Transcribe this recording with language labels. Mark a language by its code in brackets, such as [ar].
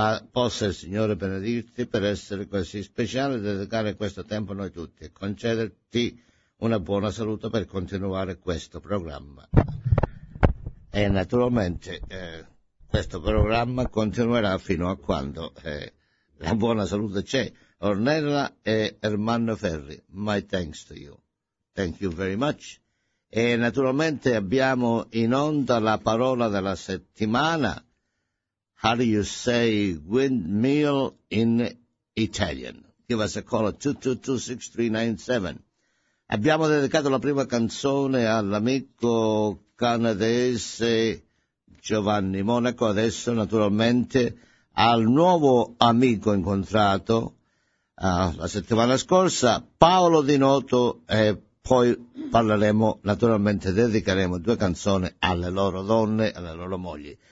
[it] Possa il Signore benedirti per essere così speciale e dedicare questo tempo a noi tutti e concederti una buona salute per continuare questo programma. E naturalmente questo programma continuerà fino a quando la buona salute c'è. [en] Ornella e Ermanno Ferri, my thanks to you. Thank you very much. [it] E naturalmente abbiamo in onda la parola della settimana. [en] How do you say windmill in Italian? Give us a call at 222-6397. [it] Abbiamo dedicato la prima canzone all'amico canadese Giovanni Monaco, adesso naturalmente al nuovo amico incontrato la settimana scorsa, Paolo Di Noto, e poi parleremo, naturalmente dedicheremo due canzoni alle loro donne, alle loro mogli.